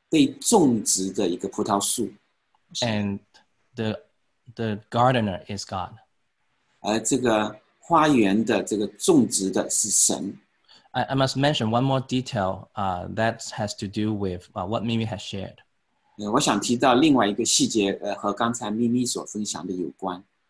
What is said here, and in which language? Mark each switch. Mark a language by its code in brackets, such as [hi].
[zh] 我看到了一个被种植的一个葡萄树。 [en] And the gardener is God. [zh] 而这个花园的这个种植的是神。 [en] I must mention one more detail that has to do with what Mimi has shared. [zh] 我想提到另外一个细节, 和刚才Mimi所分享的有关。